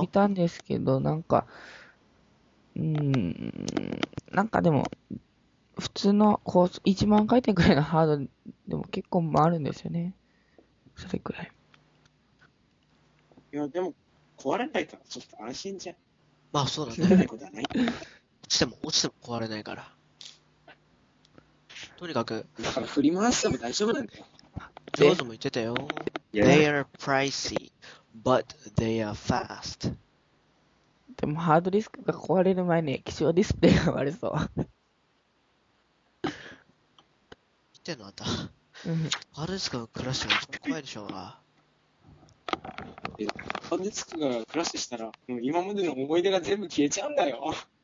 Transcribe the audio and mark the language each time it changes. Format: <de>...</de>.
<ja>見たんですけど、なんか、なんかでも、普通のコース、1万回転くらいのハードでも結構回るんですよね。それくらい。いや、でも、壊れないからちょっと安心じゃん。まあ、そうだね。落ちても壊れないから。とにかく。だから振り回しても大丈夫なんだよ。上手も言ってたよ。</ja> <en>They are pricey, but they are fast.</en> <ja>でも、ハードディスクが壊れる前に液晶ディスプレイが悪そう。見てんのあんた。ハードディスクがクラッシュしたら怖いでしょうが。ハードディスクがクラッシュしたら、もう今までの思い出が全部消えちゃうんだよ。</ja>